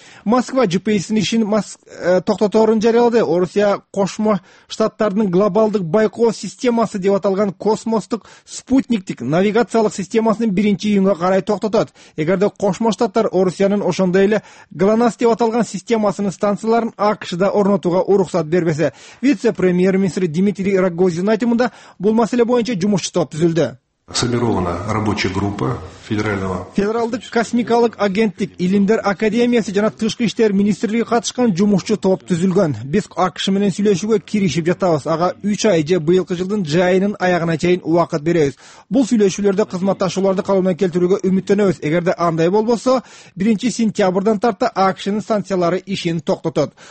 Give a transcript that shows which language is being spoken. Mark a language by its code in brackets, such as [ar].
[ky] Москва GPS'нин ишин токтотоорун жарыялады. Орусия Кошмо Штаттардын глобалдык байкоо системасы деп аталган космостук спутниктик навигациялык системасынын 1-июнга карай токтотот. Эгерде Кошмо Штаттар Орусиянын ошондой эле ГЛОНАСС деп аталган системасынын станцияларын АКШда орнотууга уруксат бербесе, вице-премьер-министр Дмитрий Рогозин айтымында бул маселе боюнча жумушчу топ түзүлдү. [ru] Сформирована рабочая группа федерального. [ky] Федералдык космикалык агенттик, Илимдер академиясы жана тышкы иштер министрлиги катышкан жумушчу топ түзүлгөн. Биз АКШ менен сүйлөшүүгө киришип жатабыз. Ага 3 ай же быйылкы жылдын жай айынын аягына чейин убакыт беребиз. Бул сүйлөшүүлөрдө кызматташууларды калыбына келтирүүгө үмүттөнөбүз. Эгерде андай болбосо, 1 сентябрдан тарта АКШнын станциялары ишин токтотот.